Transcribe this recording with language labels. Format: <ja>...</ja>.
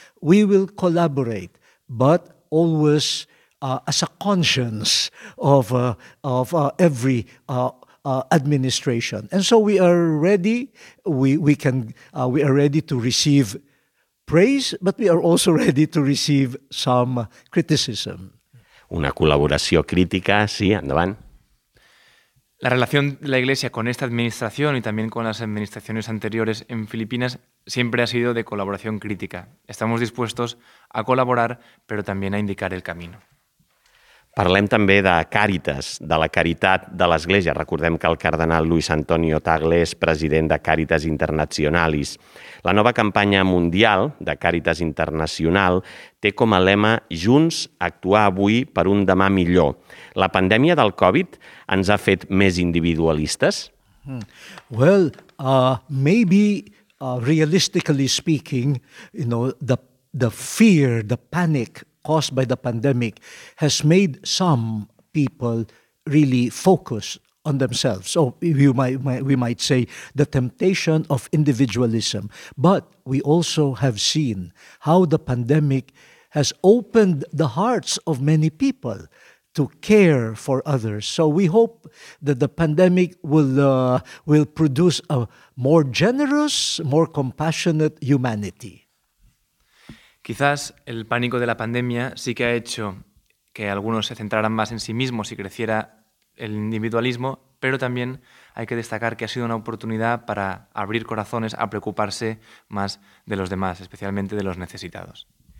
<en>We will collaborate, but always as a conscience of every administration. And so we are ready. We are ready to receive praise, but we are also ready to receive some criticism.</en> <ca>Una colaboració crítica, sí, endavant.</ca> <es>La relación de la Iglesia con esta administración y también con las administraciones anteriores en Filipinas siempre ha sido de colaboración crítica. Estamos dispuestos a colaborar, pero también a indicar el camino.</es> <ca>Parlem també de Càritas, de la caritat de l'Església. Recordem que el cardenal Luis Antonio Tagle és president de Càritas Internationalis. La nova campanya mundial de Càritas Internacional té com a lema «Junts, actuar avui per un demà millor». La pandèmia del Covid ens ha fet més individualistes?</ca> <en>Well, maybe realistically speaking, you know, the fear, the panic caused by the pandemic has made some people really focus on themselves. So we might say the temptation of individualism. But we also have seen how the pandemic has opened the hearts of many people to care for others. So we hope that the pandemic will produce a more generous, more compassionate humanity.</en> <es>Quizás el pánico de la pandemia sí que ha hecho que algunos se centraran más en sí mismos y creciera el individualismo, pero también hay que destacar que ha sido una oportunidad para abrir corazones a preocuparse más de los demás, especialmente de los necesitados.</es>